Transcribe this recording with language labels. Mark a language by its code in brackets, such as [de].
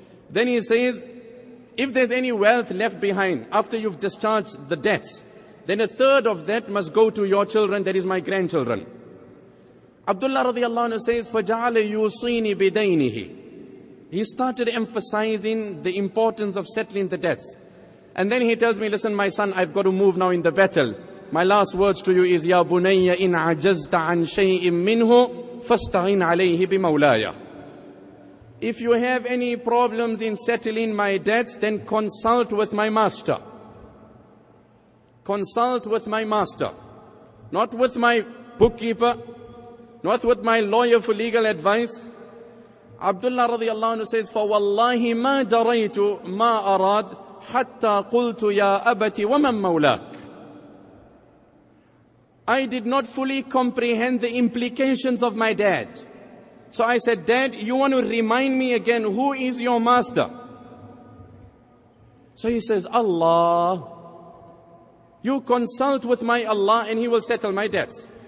[en] Then he says, if there's any wealth left behind after you've discharged the debts, then a third of that must go to your children, that is my grandchildren. Abdullah radiallahu anhu says, فَجَعَلَ يُوصِينِ بِدَيْنِهِ. He started emphasizing the importance of settling the debts. And then he tells me, listen, my son, I've got to move now in the battle. [ar] My last words to you is, يَا بُنَيَّ إِنْ عَجَزْتَ عَنْ شَيْءٍ مِّنْهُ فَاسْتَعِنْ عَلَيْهِ بِمَوْلَايَ. [en] If you have any problems in settling my debts, then consult with my master. Consult with my master. Not with my bookkeeper. Not with my lawyer for legal advice. [ar] Abdullah radiallahu anhu says, فَوَاللَّهِ مَا دَرَيْتُ مَا أَرَادْ حَتَّى قُلْتُ يَا أَبَتِ وَمَنْ مَوْلَاكَ. [en] I did not fully comprehend the implications of my dad. So I said, Dad, you want to remind me again, who is your master? So he says, Allah. You consult with my Allah and he will settle my debts.